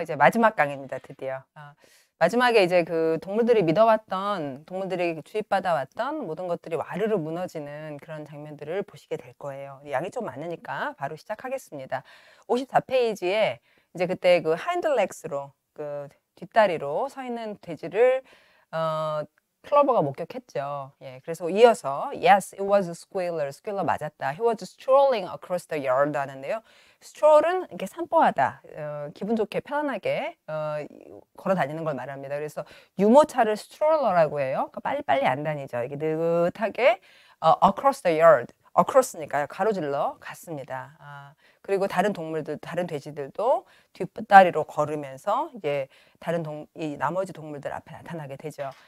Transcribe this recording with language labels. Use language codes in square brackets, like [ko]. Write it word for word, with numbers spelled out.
[ko] 이제 마지막 강의입니다. 드디어. 어, 마지막에 이제 그 동물들이 믿어왔던, 동물들이 주입받아왔던 모든 것들이 와르르 무너지는 그런 장면들을 보시게 될 거예요. 양이 좀 많으니까 바로 시작하겠습니다. 오십사 페이지에 이제 그때 그 하인드렉스로, 그 뒷다리로 서 있는 돼지를 어, 클로버가 목격했죠. 예, 그래서 이어서 [en] Yes, it was a squealer. [ko] squealer 맞았다. [en] He was strolling across the yard [ko] 하는데요. stroll은 이렇게 산보하다, 어, 기분 좋게 편안하게 어, 걸어다니는 걸 말합니다. 그래서 유모차를 stroller라고 해요. 그러니까 빨리빨리 안 다니죠. 이렇게 느긋하게 어, [en] across the yard. [ko] across니까요. 가로질러 갔습니다. 아, 그리고 다른 동물들, 다른 돼지들도 뒷다리로 걸으면서 이제 다른 동, 이 나머지 동물들 앞에 나타나게 되죠.